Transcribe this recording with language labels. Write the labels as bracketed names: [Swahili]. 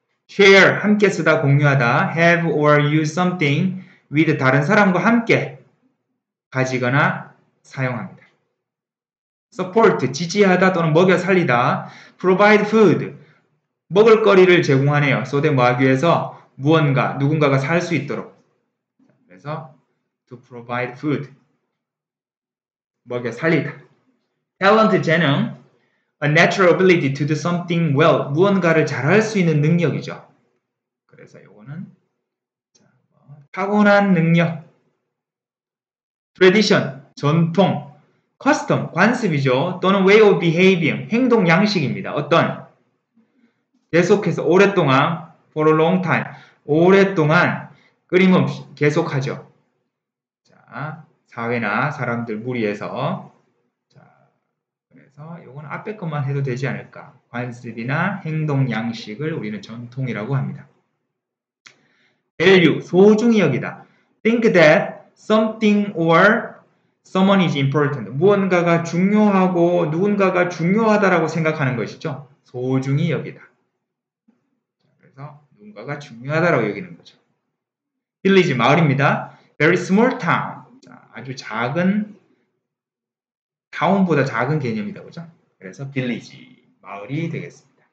[Korean] Share, 함께 쓰다, 공유하다. [English] Have or use something with [Korean] 다른 사람과 함께 가지거나 사용합니다. Support, 지지하다 또는 먹여 살리다. [English] Provide food. [Korean] 먹을 거리를 제공하네요. 소대 뭐하기 위해서 무언가 누군가가 살 수 있도록. 그래서 [English] to provide food. [Korean] 먹여 살리다. Talent 재능. [English] A natural ability to do something well. [Korean] 무언가를 잘할 수 있는 능력이죠. 그래서 요거는 자, 뭐, 타고난 능력. Tradition. 전통. Custom. 관습이죠. 또는 [English] way of behaving. [Korean] 행동 양식입니다. 어떤 계속해서 오랫동안 [English] for a long time [Korean] 오랫동안 끊임없이 계속하죠. 자 사회나 사람들 무리해서 자 그래서 이건 앞에 것만 해도 되지 않을까. 관습이나 행동 양식을 우리는 전통이라고 합니다. Value 소중히 여기다. [English] Think that something or someone is important. [Korean] 무언가가 중요하고 누군가가 중요하다라고 생각하는 것이죠. 소중히 여기다. 누군가가 중요하다라고 여기는 거죠. 빌리지 마을입니다. [English] Very small town. [Korean] 자, 아주 작은 타운보다 작은 개념이다. 그죠? 그래서 빌리지 마을이 되겠습니다.